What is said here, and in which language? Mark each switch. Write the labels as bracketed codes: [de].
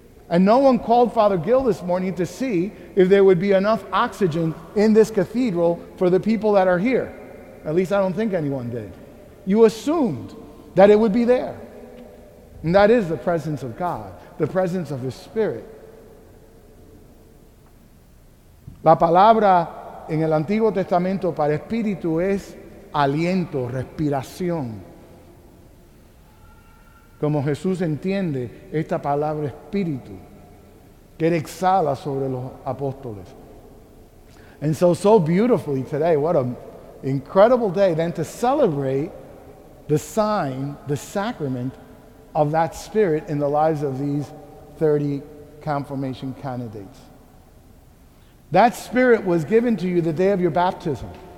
[en] And no one called Father Gil this morning to see if there would be enough oxygen in this cathedral for the people that are here. At least I don't think anyone did. You assumed that it would be there. And that is the presence of God, the presence of His Spirit. [es] La palabra en el Antiguo Testamento para espíritu es aliento, respiración. Como Jesús entiende esta palabra espíritu que Él exhala sobre los apóstoles. [en] And so beautifully today, what an incredible day then to celebrate the sign, the sacrament of that Spirit in the lives of these 30 confirmation candidates. That Spirit was given to you the day of your baptism.